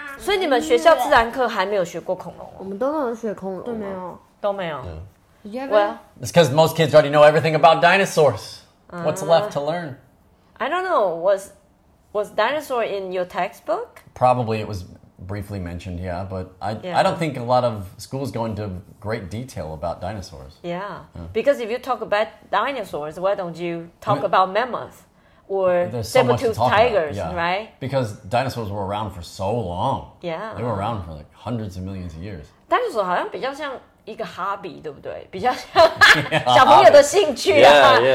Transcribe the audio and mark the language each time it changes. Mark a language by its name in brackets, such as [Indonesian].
[Chinese] 所以你们学校自然课还没有学过恐龙、哦？我们都没有学恐龙，都没有，都没有。 [English] Well, it's because most kids already know everything about dinosaurs. What's left to learn? I don't know. Was dinosaur in your textbook? Probably it was briefly mentioned, yeah. But I don't think a lot of schools go into great detail about dinosaurs. Yeah. Because if you talk about dinosaurs, why don't you talk about mammoths? Or saber-toothed tigers, right? Because dinosaurs were around for so long. Yeah. They were around for like hundreds of millions of years. [Chinese] Dinosaur 好像比较像一个 hobby, 对不对？比较像小朋友的兴趣啊。